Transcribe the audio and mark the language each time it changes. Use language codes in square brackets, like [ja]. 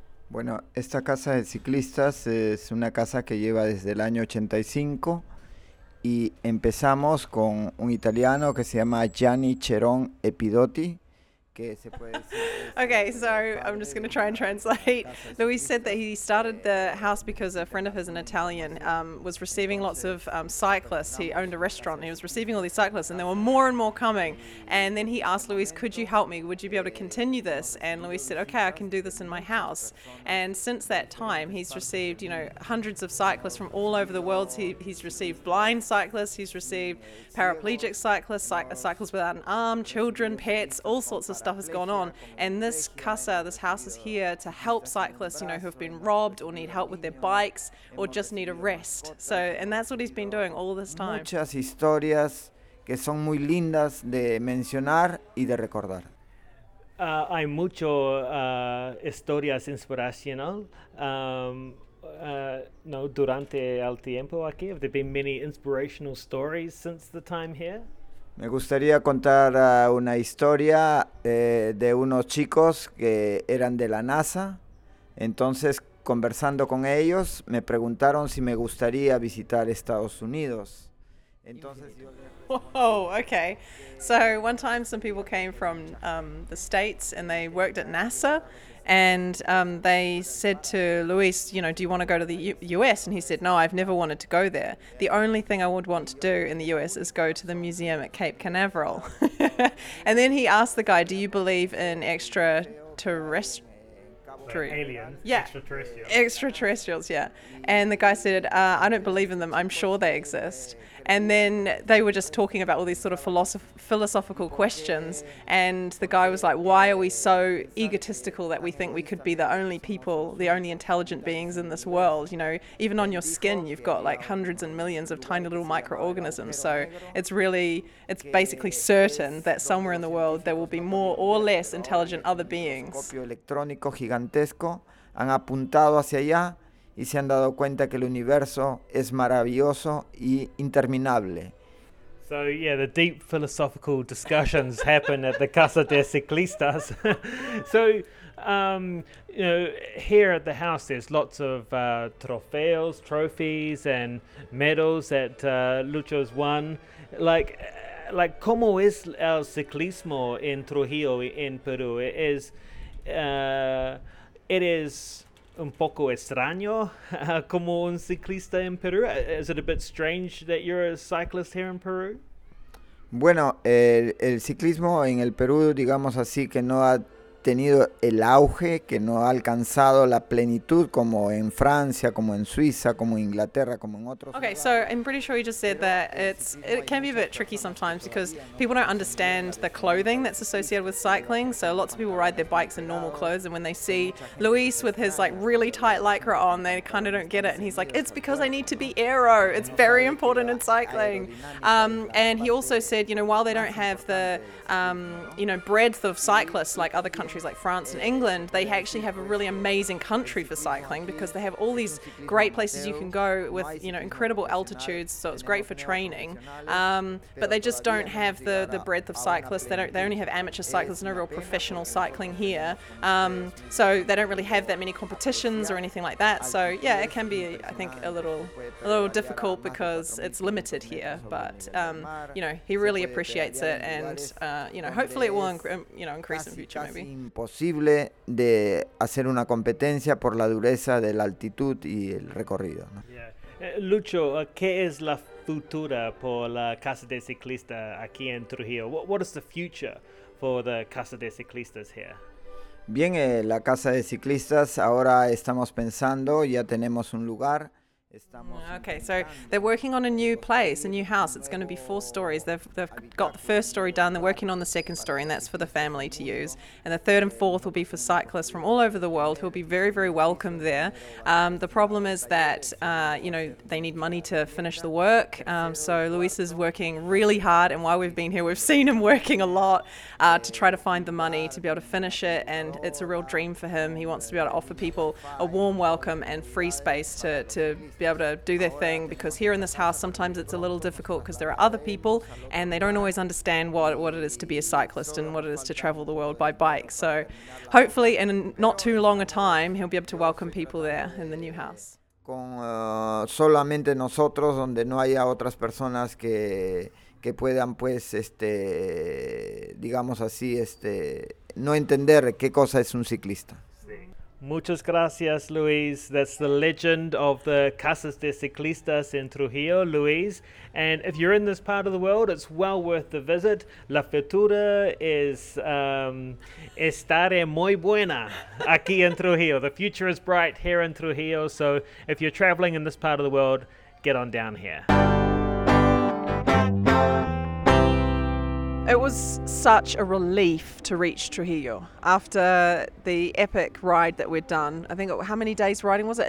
[es] Bueno, esta casa de ciclistas es una casa que lleva desde el año 85 y empezamos con un italiano que se llama Gianni Cheron Epidotti, que se puede [en] Okay, so I'm just going to try and translate. Luis said that he started the house because a friend of his, an Italian, was receiving lots of cyclists. He owned a restaurant. He was receiving all these cyclists, and there were more and more coming. And then he asked Luis, could you help me? Would you be able to continue this? And Luis said, okay, I can do this in my house. And since that time, he's received, you know, hundreds of cyclists from all over the world. He's received blind cyclists. He's received paraplegic cyclists, cyclists without an arm, children, pets, all sorts of stuff has gone on. And this casa, this house, is here to help cyclists, you know, who have been robbed or need help with their bikes or just need a rest. So, and that's what he's been doing all this time. [es] Muchas historias que son muy lindas de mencionar y de recordar. Hay mucho historias inspiracional durante el tiempo aquí. [en] Have there been many inspirational stories since the time here? [es] Me gustaría contar una historia de unos chicos que eran de la NASA. Entonces conversando con ellos, me preguntaron si me gustaría visitar Estados Unidos. Entonces, [en] oh, okay. So one time some people came from the States and they worked at NASA. And they said to Luis, you know, do you want to go to the U.S.? And he said, no, I've never wanted to go there. The only thing I would want to do in the U.S. is go to the museum at Cape Canaveral. And then he asked the guy, do you believe in extraterrestrials, yeah. And the guy said, I don't believe in them. I'm sure they exist. And then they were just talking about all these sort of philosophical questions. And the guy was like, why are we so egotistical that we think we could be the only people, the only intelligent beings in this world? You know, even on your skin, you've got like hundreds and millions of tiny little microorganisms. So it's basically certain that somewhere in the world there will be more or less intelligent other beings. [es] Electrónico gigantesco han apuntado hacia allá. Y se han dado cuenta que el universo es maravilloso y interminable. [en] So yeah, the deep philosophical discussions happen at the Casa de Ciclistas. So, you know, here at the house there's lots of trophies and medals that Lucho's won. Like, [es] ¿cómo es el ciclismo en Trujillo [en] in Peru? It is [es] un poco extraño como un ciclista en Perú. [en] Is it a bit strange that you're a cyclist here in Peru? [es] Bueno, el ciclismo en el Perú, digamos así, que no ha tenido el auge, que no ha alcanzado la plenitud como en Francia, como en Suiza, como Inglaterra, como en otros. [en] Okay, so I'm pretty sure you just said that it can be a bit tricky sometimes because people don't understand the clothing that's associated with cycling. So lots of people ride their bikes in normal clothes, and when they see Luis with his like really tight lycra on, they kind of don't get it. And he's like, it's because I need to be aero. It's very important in cycling. And he also said, you know, while they don't have the you know, breadth of cyclists like other countries like France and England, they actually have a really amazing country for cycling because they have all these great places you can go with, you know, incredible altitudes, so it's great for training. But they just don't have the breadth of cyclists. They only have amateur cyclists, no real professional cycling here. So they don't really have that many competitions or anything like that. So yeah, it can be, I think, a little difficult because it's limited here. But you know, he really appreciates it, and you know, hopefully it will increase in the future maybe. [es] Imposible de hacer una competencia por la dureza de la altitud y el recorrido, ¿no? [en] Yeah. [es] Lucho, ¿qué es la futura por la Casa de Ciclista aquí en Trujillo? [en] What is the future for the Casa de Ciclistas here? [es] Bien, la Casa de Ciclistas, ahora estamos pensando, ya tenemos un lugar. [en] Okay, so they're working on a new place, a new house. It's going to be 4 stories. They've got the first story done. They're working on the second story, and that's for the family to use. And the third and fourth will be for cyclists from all over the world who will be very, very welcome there. The problem is that, you know, they need money to finish the work. So Luis is working really hard, and while we've been here, we've seen him working a lot to try to find the money to be able to finish it. And it's a real dream for him. He wants to be able to offer people a warm welcome and free space to be able to do their thing, because here in this house sometimes it's a little difficult because there are other people and they don't always understand what it is to be a cyclist and what it is to travel the world by bike. So hopefully in not too long a time he'll be able to welcome people there in the new house. [es] Con solamente nosotros, donde no haya otras personas que puedan, pues, digamos así, no entender qué cosa es un ciclista. Muchas gracias, [en] Luis. That's the legend of the Casas de Ciclistas in Trujillo, Luis. And if you're in this part of the world, it's well worth the visit. [es] La futura es estaré muy buena aquí en Trujillo. [en] The future is bright here in Trujillo. So if you're traveling in this part of the world, get on down here. It was such a relief to reach Trujillo after the epic ride that we'd done. I think, how many days riding was it?